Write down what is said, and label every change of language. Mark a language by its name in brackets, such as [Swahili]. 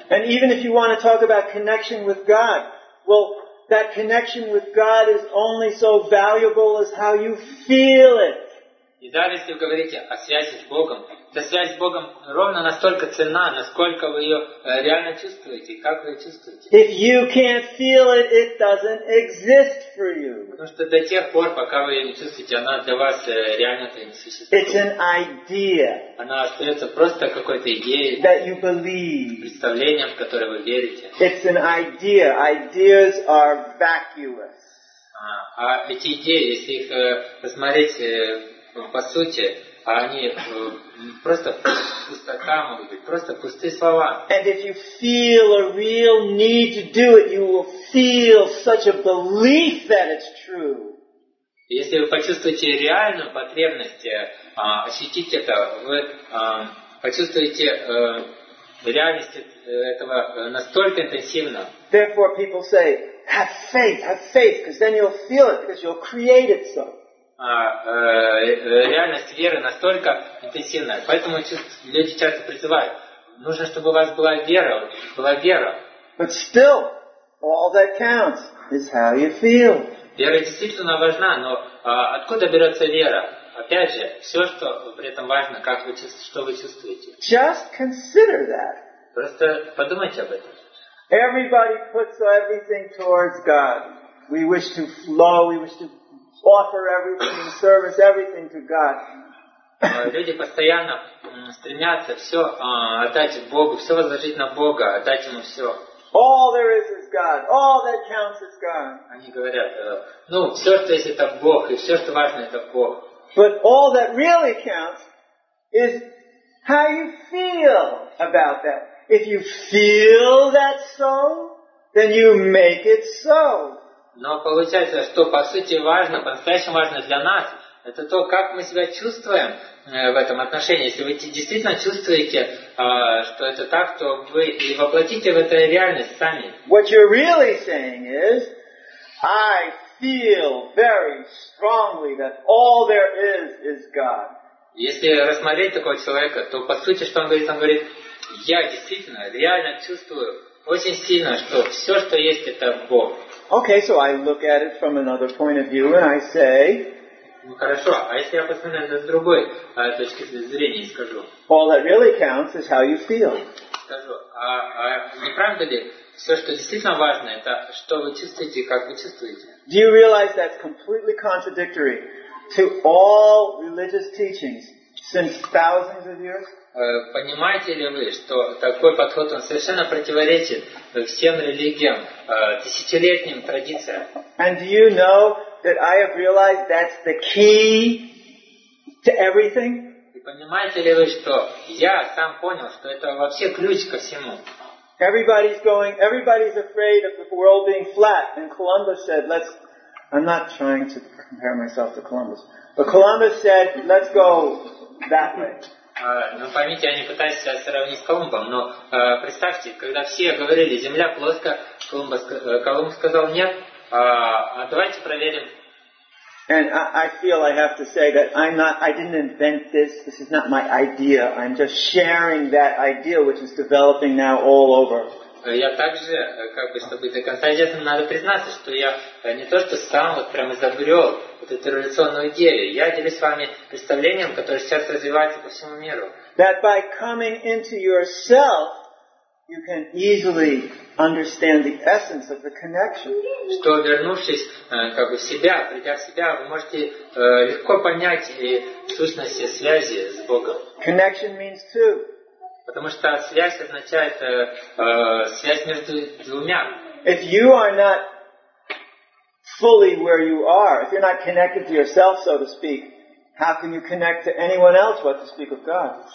[English] And even if you want to talk about connection with God, well, that connection with God is only so valuable as how you feel it. [Russian] И даже если вы говорите о связи с Богом, эта связь с Богом ровно настолько ценна, насколько вы ее реально чувствуете, как вы ее чувствуете. [English] If you can't feel it, it doesn't exist for you. [Russian] Потому что до тех пор, пока вы ее не чувствуете, она для вас реально-то не существует. [English] It's an idea. [Russian] Она остается просто какой-то идеей. [English] That you believe. [Russian] Представлением, в которое вы верите. [English] It's an idea. Ideas are vacuous. [Russian] А эти идеи, если их посмотреть по сути, а они просто пустота могут быть, просто пустые слова. [English] And if you feel a real need to do it, you will feel such a belief that it's true. [Russian] Если вы почувствуете реальную потребность ощутить это, вы почувствуете реальность этого настолько интенсивно. [English] Therefore, people say, have faith, because then you'll feel it, because you'll create it so. [Russian] Реальность веры настолько интенсивная, поэтому люди часто призывают, нужно, чтобы у вас была вера, была вера. [English] But still, all that counts is how you feel. [Russian] Вера действительно важна, но откуда берется вера? Опять же, все, что при этом важно, как вы, что вы чувствуете. [English] Just consider that. [Russian] Просто подумайте об этом. [English] Everybody puts everything towards God. We wish to flow, we wish to offer everything, service everything to God. [Russian] Люди постоянно стремятся все отдать Богу, все возложить на Бога, отдать ему все. [English] All there is God. All that counts is God. [Russian] Они говорят, ну все, что есть, это Бог, и все, что важно, это Бог. [English] But all that really counts is how you feel about that. If you feel that so, then you make it so. [Russian] Но получается, что по сути важно, по-настоящему важно для нас, это то, как мы себя чувствуем в этом отношении. Если вы действительно чувствуете, что это так, то вы и воплотите в это реальность сами. [English] What you're really saying is, I feel very strongly that all there is God. [Russian] Если рассмотреть такого человека, то по сути, что он говорит, я действительно, реально чувствую очень сильно, что все, что есть, это Бог. [English] Okay, so I look at it from another point of view and I say, [Russian] ну хорошо, а если я посмотрю на это с другой точки зрения и скажу, [English] all that really counts is how you feel. [Russian] Скажу, а не правда ли, все, что действительно важно, это что вы чувствуете и как вы чувствуете? [English] Do you realize that's completely contradictory to all religious teachings since thousands of years? [Russian] Понимаете ли вы, что такой подход, он совершенно противоречит всем религиям, тысячелетним традициям? [English] And do you know that I have realized that's the key to everything? [Russian] И понимаете ли вы, что я сам понял, что это вообще ключ ко всему? [English] Everybody's afraid of the world being flat. And Columbus said, I'm not trying to compare myself to Columbus. But Columbus said, let's go that way. [Russian] Ну, поймите, я не пытаюсь себя сравнить с Колумбом, но представьте, когда все говорили, земля плоская, Колумб сказал, нет, а давайте проверим. [English] And I feel I have to say that I didn't invent this. This is not my idea. I'm just sharing that idea which is developing now all over. [Russian] Я также, как бы, чтобы до конца честно, надо признаться, что я не то что сам вот прям изобрел вот эту революционную идею. Я делюсь с вами представлением, которое сейчас развивается по всему миру. [English] That by coming into yourself, you can easily understand the essence of the connection. [Russian] Что вернувшись, как бы в себя, придя в себя, вы можете легко понять и сущность связи с Богом. [English] Connection means two. [Russian] Потому что связь означает связь между двумя. [English] If you are not fully where you are, if you're not connected to yourself, so to speak, how can you connect to anyone else, what to speak of God?